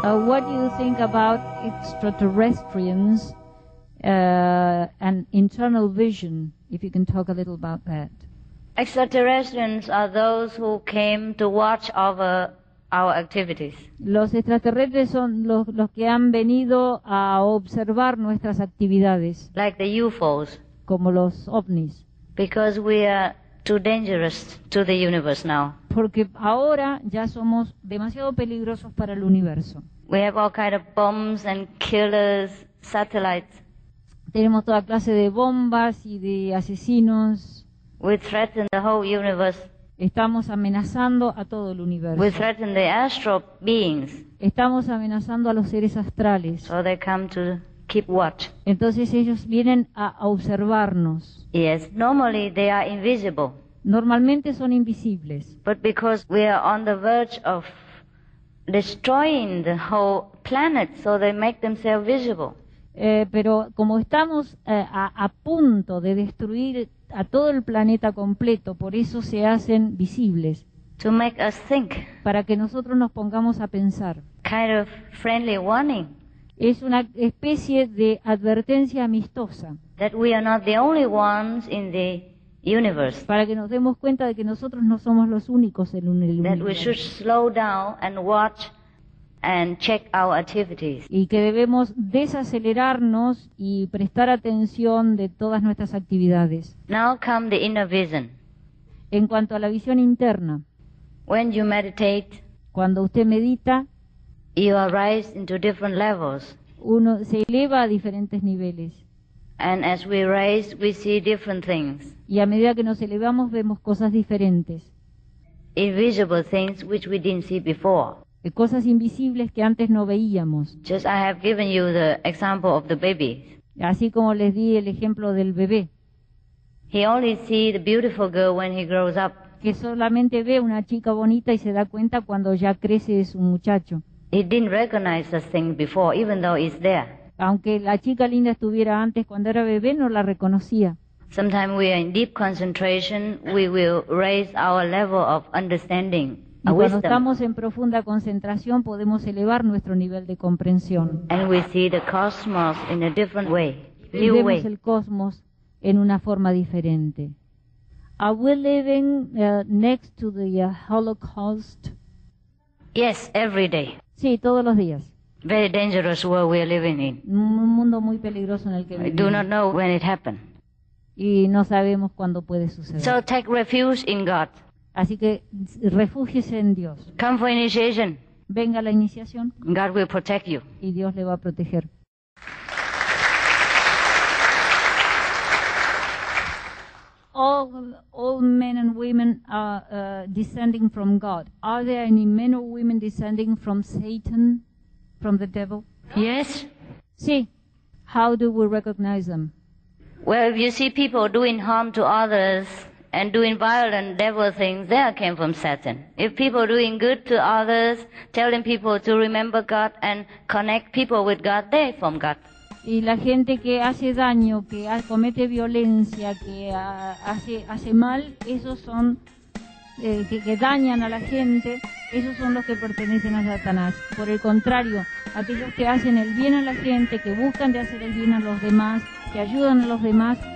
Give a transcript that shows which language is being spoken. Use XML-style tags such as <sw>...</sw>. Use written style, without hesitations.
<en>What do you think about extraterrestrials and internal vision, if you can talk a little about that? Extraterrestrials are those who came to watch over our activities.</en> <es>Los extraterrestres son los que han venido a observar nuestras actividades.</es> <en>Like the UFOs.</en> <es>Como los ovnis.</es> <en>Because we are too dangerous to the universe now.</en> <es>Porque ahora ya somos demasiado peligrosos para el universo.</es> <en>We have all kind of bombs and killers, satellites.</en> <es>Tenemos toda clase de bombas y de asesinos.</es> <en>We threaten the whole universe.</en> <es>Estamos amenazando a todo el universo.</es> <en>We threaten the astral beings.</en> <es>Estamos amenazando a los seres astrales.</es> <en>So they come to keep watch.</en> <es>Entonces ellos vienen a observarnos.</es> <en>Yes, normally they are invisible.</en> <es>Normalmente son invisibles.</es> <en>But because we are on the verge of destroying the whole planet, so they make themselves visible.</en> <es>Pero como estamos a punto de destruir a todo el planeta completo, por eso se hacen visibles.</es> <en>To make us think.</en> <es>Para que nosotros nos pongamos a pensar.</es> <en>Kind of friendly warning.</en> <es>Es una especie de advertencia amistosa.</es> <en>That we are not the only ones in the universe.</en> <es>Para que nos demos cuenta de que nosotros no somos los únicos en el universo.</es> <en>That we should slow down and watch and check our activities.</en> <es>Y que debemos desacelerarnos y prestar atención de todas nuestras actividades.</es> <en>Now come the inner vision.</en> <es>En cuanto a la visión interna.</es> <en>When you meditate,</en> <es>cuando usted medita,</es> <en>you arise into different levels.</en> <es>Uno se eleva a diferentes niveles.</es> <en>And as we rise, we see different things.</en> <es>Y a medida que nos elevamos, vemos cosas diferentes.</es> <en>Invisible things which we didn't see before.</en> <es>De cosas invisibles que antes no veíamos.</es> <en>Just I have given you the example of the baby.</en> <es>Así como les di el ejemplo del bebé.</es> <en>He only sees the beautiful girl when he grows up.</en> <es>que solamente ve una chica bonita y se da cuenta cuando ya crece es un muchacho.</es> <en>He didn't recognize this thing before, even though it's there.</en> <es>Aunque la chica linda estuviera antes cuando era bebé, no la reconocía.</es> <en>Sometimes we are in deep concentration, we will raise our level of understanding.</en> <es>Y cuando estamos en profunda concentración, podemos elevar nuestro nivel de comprensión.</es> <en>And we see the cosmos in a different way.</en> <es>Y vemos el cosmos en una forma diferente.</es> <en>Are we living next to the Holocaust? Yes, every day.</en> <es>Sí, todos los días.</es> <en>Very dangerous world we are living in.</en> <es>Un mundo muy peligroso en el que vivimos.</es> <en>We do not know when it happened.</en> <es>Y no sabemos cuándo puede suceder.</es> <en>So take refuge in God.</en> <es>Así que refúgiese en Dios.</es> <en>Come for initiation.</en> <es>Venga la iniciación.</es> <en>God will protect you.</en> <es>Y Dios le va a proteger.</es> <en>All men and women are descending from God. Are there any men or women descending from Satan, from the devil? Yes.</en> <es>Sí.</es> <en>How do we recognize them? Well, if you see people doing harm to others and doing violent devil things, they came from Satan. If people doing good to others, telling people to remember God and connect people with God, they from God.</en> <es>Y la gente que hace daño, que comete violencia, que hace mal, esos son que dañan a la gente, esos son los que pertenecen a Satanás. Por el contrario, aquellos que hacen el bien a la gente, que buscan de hacer el bien a los demás, que ayudan a los demás,</es>